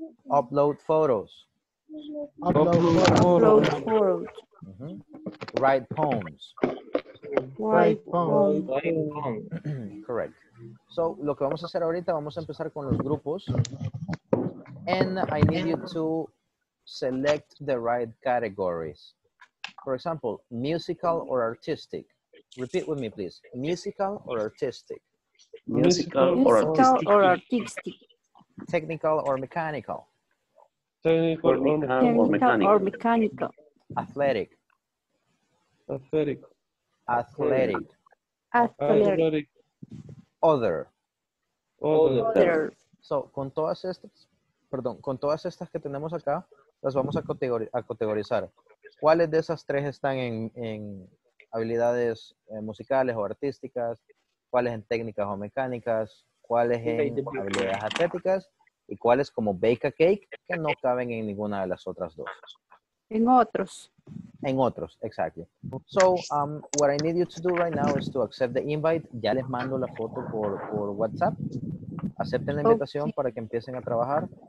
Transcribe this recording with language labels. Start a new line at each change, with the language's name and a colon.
English: Upload photos. Upload photos. Write poems. Write poems. Correct. So,
Spanish: lo que vamos a hacer ahorita, vamos a empezar con los grupos.
English: And I need you to select the right categories. For example, musical or artistic. Repeat with me, please. Musical or artistic. Musical or artistic. Technical or mechanical. Technical or mechanical. Athletic. Athletic. Athletic. Athletic. Other. Other. So,
Spanish: con todas estas que tenemos acá, las vamos a categorizar. ¿Cuáles de esas tres están en habilidades musicales o artísticas? ¿Cuáles en técnicas o mecánicas? cuáles en habilidades atléticas y cuáles como
English: bake a cake,
Spanish: que no caben en ninguna de las otras dos. En otros. En otros,
English: exactly. So, what I need you to do right now is to accept the invite.
Spanish: Ya les mando la foto por WhatsApp. Acepten la invitación para que empiecen a trabajar.